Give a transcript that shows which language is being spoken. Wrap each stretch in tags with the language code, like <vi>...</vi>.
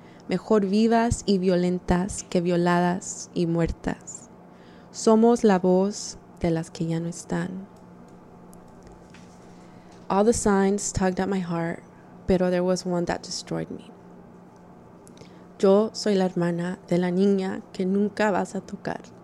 <es>Mejor vivas y violentas que violadas y muertas. Somos la voz de las que ya no están.</es> <en>All the signs tugged at my heart, pero there was one that destroyed me.</en> <es>Yo soy la hermana de la niña que nunca vas a tocar.</es>